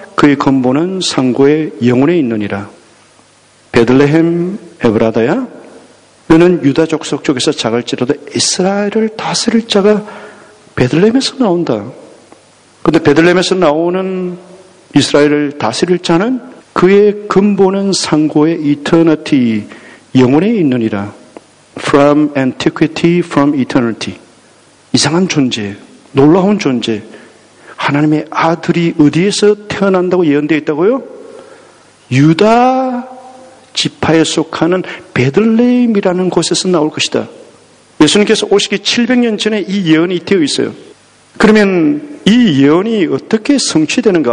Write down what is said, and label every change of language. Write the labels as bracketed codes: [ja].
[ko] 그의 근본은 상고의 영혼에 있느니라. 베들레헴 에브라다야, 너는 유다 족속 쪽에서 작을지라도 이스라엘을 다스릴 자가 베들레헴에서 나온다. 그런데 베들레헴에서 나오는 이스라엘을 다스릴 자는 그의 근본은 상고의 이터너티, 영혼에 있느니라. [en] From antiquity, from eternity. [ko] 이상한 존재, 놀라운 존재. 하나님의 아들이 어디에서 태어난다고 예언되어 있다고요? 유다 지파에 속하는 베들레헴이라는 곳에서 나올 것이다. 예수님께서 오시기 700년 전에 이 예언이 되어 있어요. 그러면 이 예언이 어떻게 성취되는가?